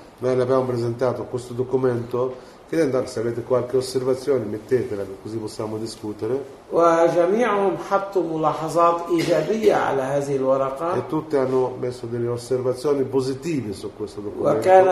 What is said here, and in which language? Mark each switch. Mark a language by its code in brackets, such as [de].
[it] Noi abbiamo presentato questo documento chiedendo se avete qualche osservazione, mettetela così possiamo discutere. [ar] وجميعهم حطوا ملاحظات إيجابية على هذه الورقة. [it] E tutti hanno messo delle osservazioni positive su questo documento.